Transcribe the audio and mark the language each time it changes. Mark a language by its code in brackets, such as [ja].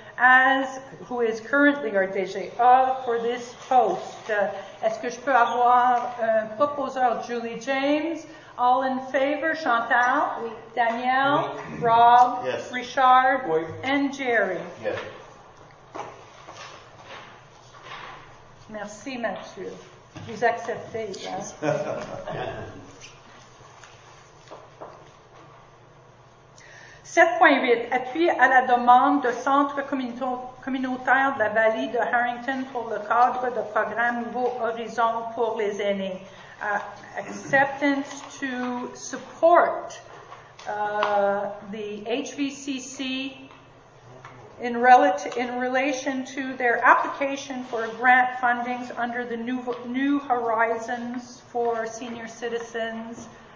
[en] as who is currently our DG of for this post. [fr] Est-ce que je peux avoir un proposeur, Julie James? [en] All in favor, Chantal, [fr] oui. [en] Daniel, [fr] oui. [en] Rob, yes. Richard, [fr] oui. [en] And Jerry. Yes. [fr] Merci, Mathieu. Vous acceptez, là. Hein? 7.8. Appui à la demande de centre communautaire de la vallée de Harrington pour le cadre de programme Nouveau Horizon pour les aînés. [en] Acceptance to support the HVCC in relation to their application for grant fundings under the New Horizons for Senior Citizens.